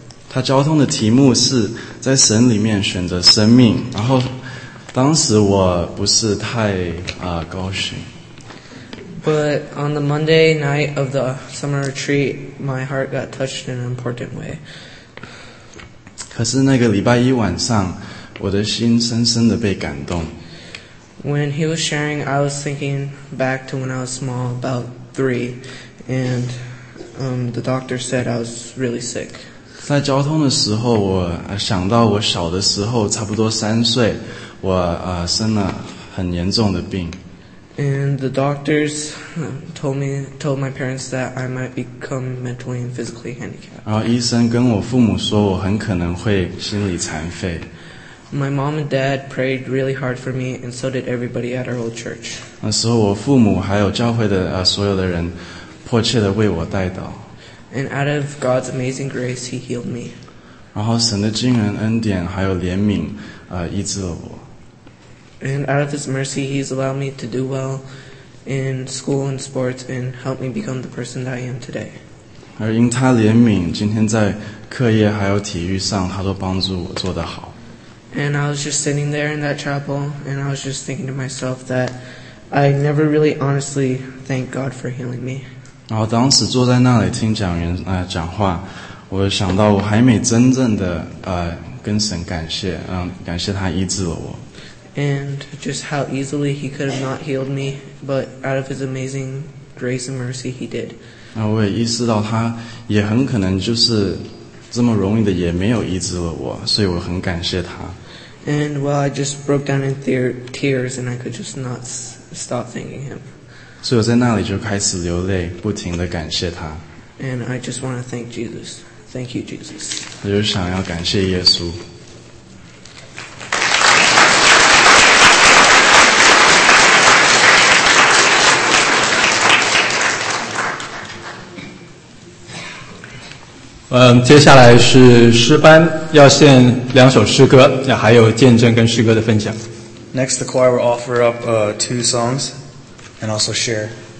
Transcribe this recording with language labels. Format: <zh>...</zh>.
<zh>他交通的题目是在神里面选择生命，然后当时我不是太高兴。</zh> <en>But on the Monday night of the summer retreat, my heart got touched in an important way.</en> <zh>可是那个礼拜一晚上，我的心深深地被感动。</zh> <en>When he was sharing, I was thinking back to when I was small about three, and the doctor said I was really sick.</en> <zh>在交通的时候，我想到我小的时候，差不多三岁，我生了很严重的病。</zh> <en>And the doctors told my parents that I might become mentally and physically handicapped.</en> <zh>然后医生跟我父母说，我很可能会心理残废。</zh> <en>My mom and dad prayed really hard for me, and so did everybody at our old church.</en> <zh>那时候我父母还有教会的所有的人迫切地为我代祷。</zh> <en>And out of God's amazing grace, he healed me.</en> <zh>然后神的惊人恩典还有怜悯医治了我。</zh> <en>And out of his mercy, he's allowed me to do well in school and sports and helped me become the person that I am today.</en> <zh>而因他怜悯，今天在课业还有体育上，他都帮助我做得好。</zh> <en>And I was just sitting there in that chapel, and I was just thinking to myself that I never really honestly thanked God for healing me.</en> <zh>然后当时坐在那里听讲员讲话，我想到我还没真正的跟神感谢，感谢他医治了我。</zh> <en>And just how easily he could have not healed me, but out of his amazing grace and mercy, he did.</en> <zh>然后我也意识到他也很可能就是这么容易的也没有医治了我，所以我很感谢他。</zh> <en>And well, I just broke down in tears, and I could just not stop thanking him.</en> <zh>所以我在那里就开始流泪，不停地感谢他。</zh> <en>And I just want to thank Jesus. Thank you, Jesus.</en> <zh>我就想要感谢耶稣。接下来是诗班要献两首诗歌，还有见证跟诗歌的分享。</zh> <en>Next, the choir will offer up two songs and also share.</en>